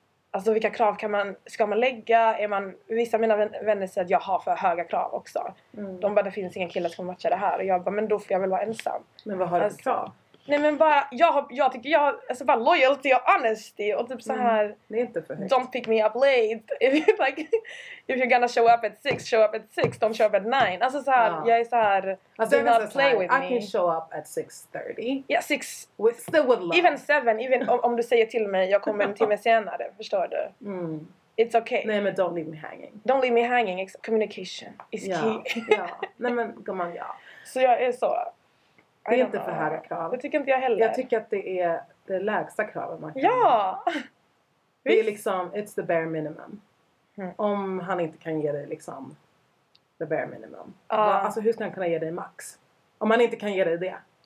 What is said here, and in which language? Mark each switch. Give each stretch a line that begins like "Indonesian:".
Swedish: Alltså vilka krav kan man, ska man lägga? Är man, vissa av mina vänner säger att jag har för höga krav också. Mm. De bara, det finns ingen kille som matchar det här. Och jag bara, men då får jag väl vara ensam. Men vad har du alltså, krav? Nej men bara, jag tycker jag alltså bara loyalty och honesty och typ så här. Det är inte för högt.
English: Don't pick me up late. If you're like, if you're gonna show up at 6, show up at 6, don't show up at 9.
Swedish: Alltså så här, jag är så här,
English: do not play with me. I can show up at 6:30. Yeah, 6. With, still would love. Even 7, even
Swedish: om du säger till mig, jag kommer en timme senare, förstår du? Mm.
English: It's okay.
Swedish: Nej men
English: don't leave me hanging. Don't leave me hanging, communication is key.
Swedish: Ja, nej men
English: come on,
Swedish: ja. Så jag är så... Det är inte för höga krav. Det tycker inte jag heller. Jag tycker att det är det lägsta kravet man kan ja! Ha. Det är liksom,
English: it's the bare minimum. Mm.
Swedish: Om han inte kan ge dig liksom
English: the bare minimum.
Swedish: Alltså hur ska han kunna ge dig max? Om han inte kan ge dig det.